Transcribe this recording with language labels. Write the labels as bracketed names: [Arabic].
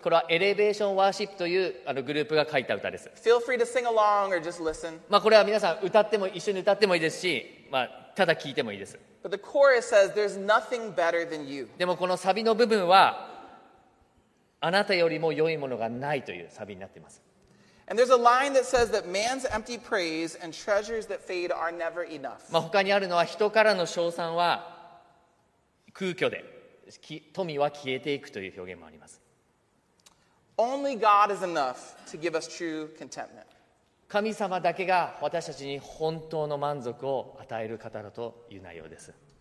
[Japanese] これはエレベーションワーシップというあのグループが書いた歌です。 [English] Feel free to sing along or just listen. [Japanese] まあこれは皆さん歌っても一緒に歌ってもいいですし、まあただ聞いてもいいです。 [English] But the chorus says, "There's nothing better than you." [Japanese] でもこのサビの部分はあなたよりも良いものがないというサビになっています。 [English] And there's a line that says that man's empty praise and treasures that fade are never enough. [Japanese] まあ他にあるのは人からの称賛は空虚で、富は消えていくという表現もあります。 [English] Only God is enough to give us true contentment. [Japanese] 神様だけが私たちに本当の満足を与える方だという内容です。